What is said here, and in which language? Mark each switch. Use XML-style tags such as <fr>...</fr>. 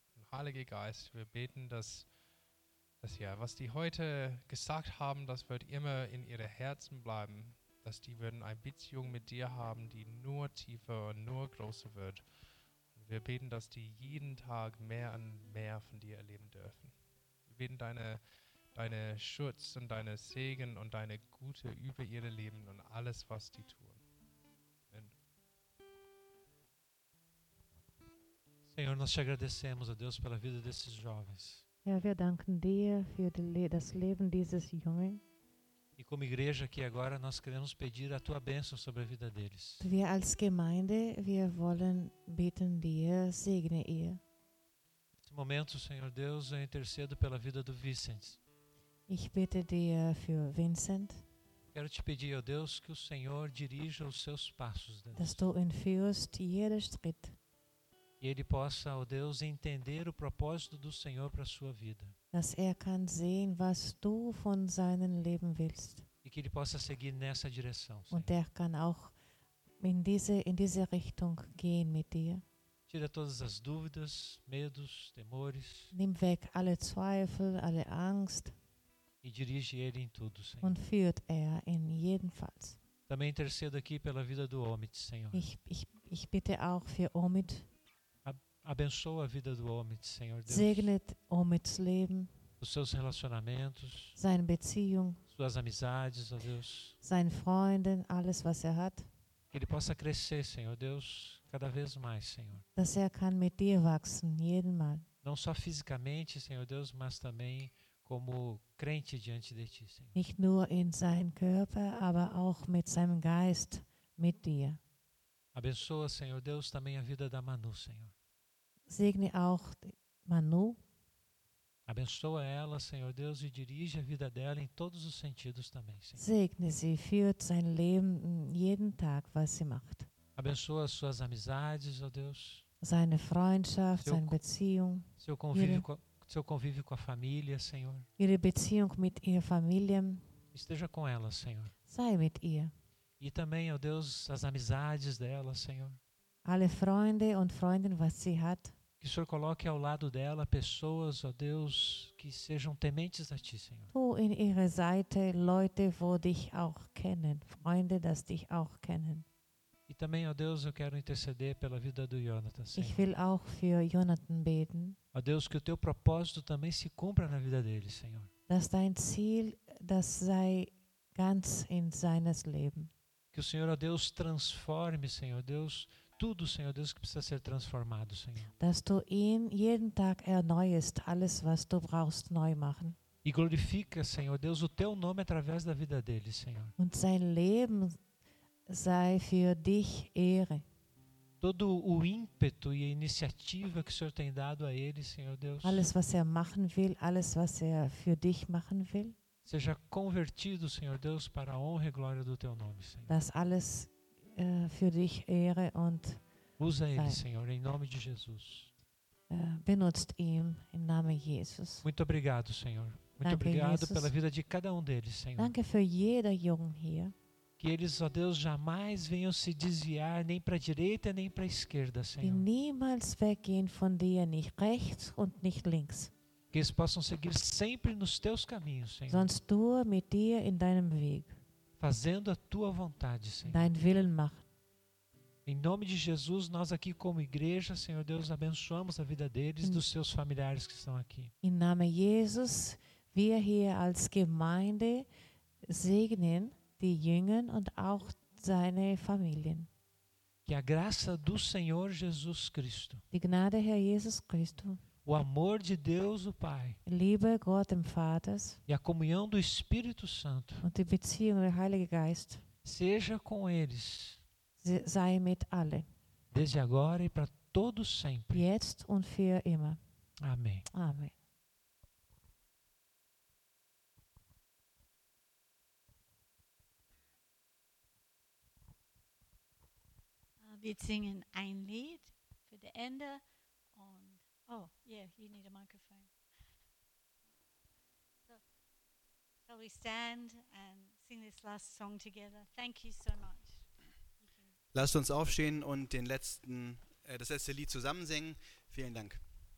<de>Und Heiliger Geist, wir beten, dass ja, was die heute gesagt haben, das wird immer in ihre Herzen bleiben, dass die würden eine Beziehung mit dir haben, die nur tiefer und nur größer wird. Und wir beten, dass die jeden Tag mehr und mehr von dir erleben dürfen. Wir beten deine Schutz und deine Segen und deine Gute über ihre Leben und alles, was die tun. Amen.</de> <pt>Senhor, nós te agradecemos a Deus pela vida desses jovens.</pt> <de>Ja, wir danken dir für das Leben dieses Jungen.</de> <pt>E como igreja aqui agora, nós queremos pedir a tua bênção sobre a vida deles.</pt> <de>Wir als Gemeinde, wir wollen beten dir, segne ihr.</de> <pt>Nesse momento, Senhor Deus, eu intercedo pela vida do Vincent.</pt> <de>Ich bitte dir für Vincent.</de> <pt>Quero te pedir, ó Deus, que o Senhor dirija os seus passos. Deus.</pt> <de>Dass du ihn führst, jeden Schritt.</de> <pt>E ele possa, ó Deus, entender o propósito do Senhor para a sua vida.</pt> <de>Dass er kann sehen, was du von seinem Leben willst.</de> <pt>E que ele possa seguir nessa direção, Senhor.</pt> <de>Und er kann auch in diese Richtung gehen mit dir.</de> <pt>Tira todas as dúvidas, medos, temores.</pt> <de>Nimm weg alle Zweifel, alle Angst.</de> <pt>E dirige ele em tudo, Senhor.</pt> <de>Und führt in jeden Fall.</de> <pt>Também intercedo aqui pela vida do Omid, Senhor.</pt> <de>Ich bitte auch für Omid.</de> <pt>Abençoa a vida do Omid, Senhor Deus.</pt> <de>Segnet Omids Leben.</de> <pt>Os seus relacionamentos.</pt> <de>Seine Beziehung.</de> <pt>Suas amizades, ó Deus.</pt> <de>Seine Freunde, alles was hat.</de> <pt>Que ele possa crescer, Senhor Deus, cada vez mais, Senhor.</pt> <de>Dass kann mit dir wachsen, jeden Mal.</de> <pt>Não só fisicamente, Senhor Deus, mas também como crente diante de ti, Senhor.</pt> <de>Nicht nur in seinem Körper, aber auch mit seinem Geist, mit dir.</de> <pt>Abençoa, Senhor Deus, também a vida da Manu, Senhor.</pt> <de>Segne auch Manu.</de> <pt>Abençoa ela, Senhor Deus, e dirige a vida dela em todos os sentidos também, Senhor.</pt> <de>Segne sie, führt sein Leben jeden Tag, was sie macht.</de> <pt>Abençoa as suas amizades, ó Deus.</pt> <de>Seine Freundschaft, seine Beziehung.</de> <pt>Seu convívio com a família, Senhor.</pt> <de>Ihre Beziehung mit ihrer Familie.</de> <pt>Esteja com ela, Senhor.</pt> <de>Sei mit ihr.</de> <pt>E também, ó Deus, as amizades dela, Senhor.</pt> <de>Alle Freunde und Freundinnen, was sie hat.</de> <pt>Que o Senhor coloque ao lado dela pessoas, ó Deus, que sejam tementes a ti, Senhor.</pt> <de>Tu in ihrer Seite Leute, wo dich auch kennen, Freunde, das dich auch kennen.</de> <pt>E também, ó Deus, eu quero interceder pela vida do Jonathan, Senhor.</pt> <de>Ich will auch für Jonathan beten.</de> <pt>Ó Deus, que o teu propósito também se cumpra na vida dele, Senhor.</pt> <de>Dass dein Ziel, das sei ganz in seines Leben.</de> <pt>Que o Senhor, ó Deus, transforme, Senhor Deus, tudo, Senhor Deus, que precisa ser transformado, Senhor.</pt> <de>Dass du ihn jeden Tag erneuest, alles, was du brauchst, neu machen.</de> <pt>E glorifica, Senhor Deus, o teu nome através da vida dele, Senhor.</pt> <de>Und sein Leben sei für dich Ehre.</de> <pt>todo o ímpeto e a iniciativa que o Senhor tem dado a ele, Senhor Deus.</pt> <de>Alles was er machen will, alles was er für dich machen will.</de> <pt>Seja convertido, Senhor Deus, para a honra e glória do teu nome, Senhor.</pt> <de>Das alles für dich Ehre und</de> <pt>usa ele, Senhor, em nome de Jesus.</pt> <de>Benutzt ihn im Namen Jesus.</de> <pt>Muito obrigado, Senhor. Muito</pt> <de>Danke,</de> <pt>obrigado Jesus. Pela vida de cada deles, Senhor.</pt> <de>Danke für jeder Jungen hier.</de> <pt>Que eles, ó Deus, jamais venham se desviar nem para a direita nem para a esquerda, Senhor.</pt> <de>Die niemals weggehen von dir, nicht rechts und nicht links.</de> <pt>Que eles possam seguir sempre nos teus caminhos, Senhor.</pt> <de>Sonst du mit dir in deinem Weg.</de> <pt>Fazendo a tua vontade, Senhor.</pt> <de>Dein Willen machen.</de> <pt>Em nome de Jesus, nós aqui como igreja, Senhor Deus, abençoamos a vida deles e dos seus familiares que estão aqui.</pt> <de>Im Namen Jesus, wir hier als Gemeinde segnen die Jünger und auch seine Familien.</de> <pt>Que a graça do Senhor Jesus Cristo.</pt> <de>Die Gnade Herr Jesus Christus.</de> <pt>O amor de Deus o Pai.</pt> <de>Liebe Gott dem Vater.</de> <pt>E a comunhão do Espírito Santo.</pt> <de>Und die Beziehung des Heiligen Geistes.</de> <pt>Seja com eles.</pt> <de>Sei mit allen.</de> <pt>Desde agora e para todo sempre.</pt> <de>Jetzt und für immer.</de> <pt>Amém. Amém.</pt> <de>Wir singen ein Lied für das Ende und</de> <en>oh yeah, you need a microphone. So, shall we stand and sing this last song together? Thank you so much.</en> <de>Lasst uns aufstehen und das letzte Lied zusammen singen. Vielen Dank.</de>